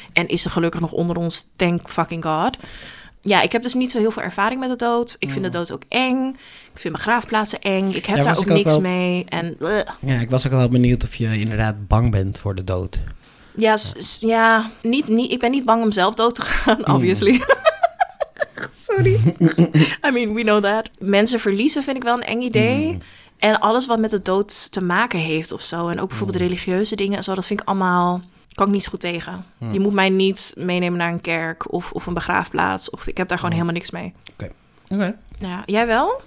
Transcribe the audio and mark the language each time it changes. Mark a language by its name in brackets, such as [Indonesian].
[Dutch] En is ze gelukkig nog onder ons, [English] thank fucking God. [Dutch] Ja, ik heb dus niet zo heel veel ervaring met de dood. Ik vind de dood ook eng. Ik vind begraafplaatsen eng. Ik heb daar ook niks mee. En, ja, ik was ook wel benieuwd of je inderdaad bang bent voor de dood. Ja, ja, niet, ik ben niet bang om zelf dood te gaan, obviously. Mm. [English] Sorry. I mean, we know that. [Dutch] Mensen verliezen vind ik wel een eng idee. Mm. En alles wat met de dood te maken heeft of zo. En ook bijvoorbeeld religieuze dingen en zo. Dat vind ik allemaal, kan ik niet zo goed tegen. Mm. Je moet mij niet meenemen naar een kerk of een begraafplaats. Of ik heb daar gewoon helemaal niks mee. Oké. Ja, jij wel?